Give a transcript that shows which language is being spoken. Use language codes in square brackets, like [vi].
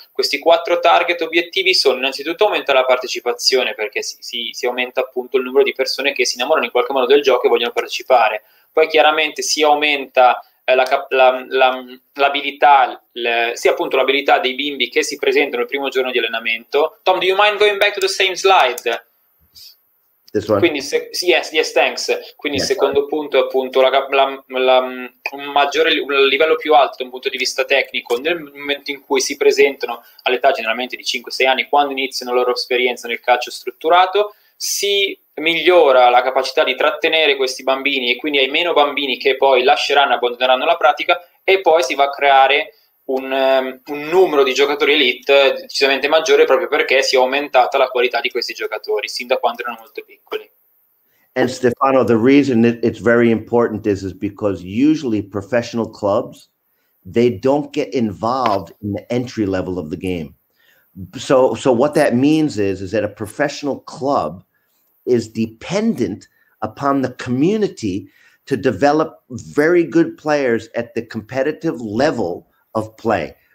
[it] Questi 4 target obiettivi sono innanzitutto aumentare la partecipazione, perché si aumenta appunto il numero di persone che si innamorano in qualche modo del gioco e vogliono partecipare. Poi chiaramente si aumenta l'abilità dei bimbi che si presentano il primo giorno di allenamento. [en] Tom, do you mind going back to the same slide? This one. Quindi yes, thanks. [it] Quindi yes, il secondo punto è appunto un livello più alto da un punto di vista tecnico nel momento in cui si presentano all'età generalmente di 5-6 anni, quando iniziano la loro esperienza nel calcio strutturato. Si migliora la capacità di trattenere questi bambini, e quindi hai meno bambini che poi lasceranno e abbandoneranno la pratica, e poi si va a creare un numero di giocatori elite decisamente maggiore, proprio perché si è aumentata la qualità di questi giocatori sin da quando erano molto piccoli. [en] And Stefano, the reason it's very important is because usually professional clubs, they don't get involved in the entry level of the game. So what that means is that a professional club is dependent upon the community to develop very good players at the competitive level of play.